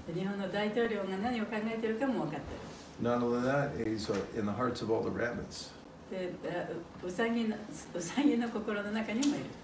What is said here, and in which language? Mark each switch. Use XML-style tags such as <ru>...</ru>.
<ja>日本の大統領が何を考えているかも分かっている。</ja> <en>Not only that, he's in the hearts of all the rabbits.</en> <ja>で、うさぎの心の中にもいる。</ja>